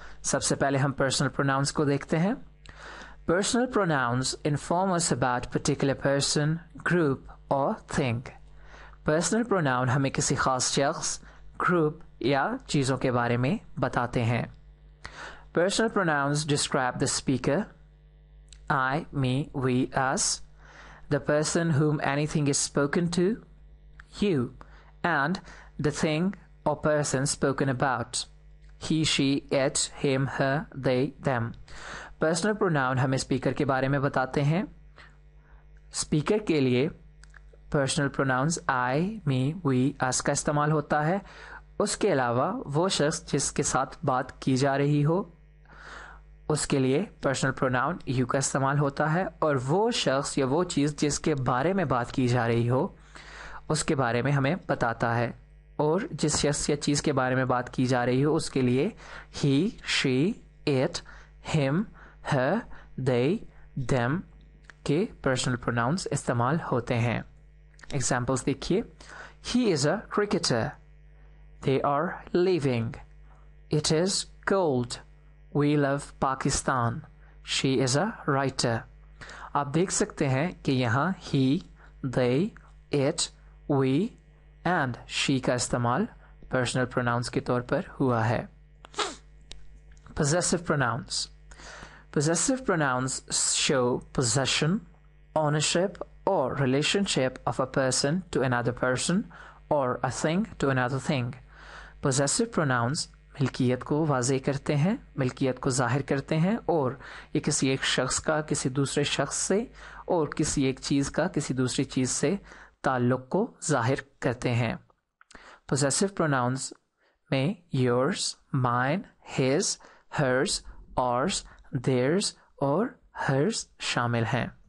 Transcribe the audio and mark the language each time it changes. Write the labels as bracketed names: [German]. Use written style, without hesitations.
[Urdu] سب سے پہلے ہم پرسنل پروناؤنس کو دیکھتے ہیں. [English] Personal pronouns inform us about particular person, group or thing. [Urdu] پرسنل پروناؤن ہمیں کسی خاص شخص، گروپ یا چیزوں کے بارے میں بتاتے ہیں. [English] Personal pronouns describe the speaker, I, me, we, us, the person whom anything is spoken to, you, and the thing or person spoken about, he, she, it, him, her, they, them. [Urdu] Personal pronoun ہمیں speaker کے بارے میں بتاتے ہیں. Speaker کے لیے personal pronouns آئی، می، وی، اس کا استعمال ہوتا ہے. اس کے علاوہ وہ شخص جس کے ساتھ بات کی جا رہی ہو، اس کے لیے پرسنل پروناؤن یو کا استعمال ہوتا ہے. اور وہ شخص یا وہ چیز جس کے بارے میں بات کی جا رہی ہو، اس کے بارے میں ہمیں بتاتا ہے. اور جس شخص یا چیز کے بارے میں بات کی جا رہی ہو، اس کے لیے ہی، شی، ایٹ، ہم، ہر، دے، دیم کے پرسنل پروناؤنس استعمال ہوتے ہیں. [English] Examples دیکھیے: he is a cricketer, they are living, it is cold, we love Pakistan, she is a writer. [Urdu] آپ دیکھ سکتے ہیں کہ یہاں ہی، دے، اٹ، وی اینڈ شی کا استعمال پرسنل پروناؤنس کے طور پر ہوا ہے. [English] Possessive pronouns. Possessive pronouns show position, ownership or relationship of a person to another person or a thing to another thing. [Urdu] Possessive pronouns ملکیت کو واضح کرتے ہیں، ملکیت کو ظاہر کرتے ہیں، اور یہ کسی ایک شخص کا کسی دوسرے شخص سے اور کسی ایک چیز کا کسی دوسری چیز سے تعلق کو ظاہر کرتے ہیں. پوزیسو پروناؤنس میں yours, mine, his, hers, hours, there's اور ہرز شامل ہیں.